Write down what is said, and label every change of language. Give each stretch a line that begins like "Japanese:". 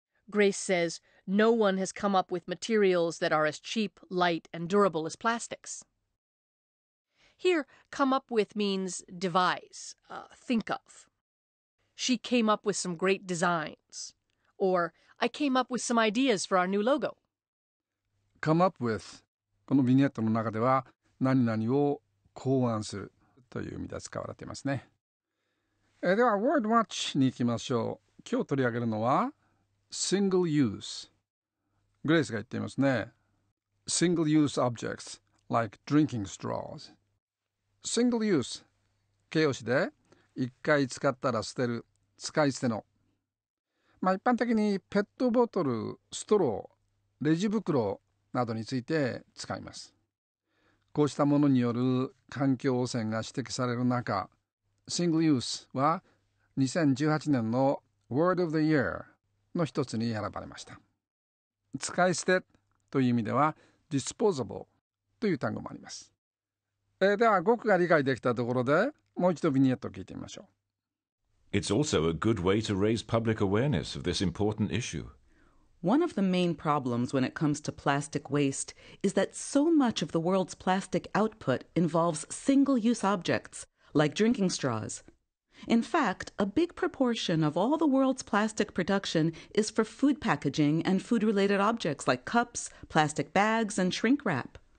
English: Grace says,No one has come up with materials that are as cheap, light, and durable as plastics. Here, come up with means devise, think of. She came up with some great designs. Or, I came up with some ideas for our new logo. Come up with
Japanese: このビニエットの中では何々を考案するという意味で使われていますね。ではワードウォッチに行きましょう。今日取り上げるのはシングルユース。グレイスが言っていますね。シングルユースオブジェクト
English: like drinking straws。
Japanese: シングルユース形容詞で一回使ったら捨てる、使い捨ての。まあ一般的にペットボトル、ストロー、レジ袋などについて使います。こうしたものによる環境汚染が指摘される中、シングルユースは2018年のワード・オブ・ザ・イヤーの一つに選ばれました。使い捨てという意味では disposable という単語もあります。では語句が理解できたところで、もう一度ビニエットを聞いてみましょう。
English: It's also a good way to raise public awareness of this important issue. One of the main problems when it comes to plastic waste is that so much of the world's plastic output involves single-use objects, like drinking straws. In fact, a big proportion of all the world's plastic production is for food packaging and food-related objects like cups, plastic bags, and shrink wrap.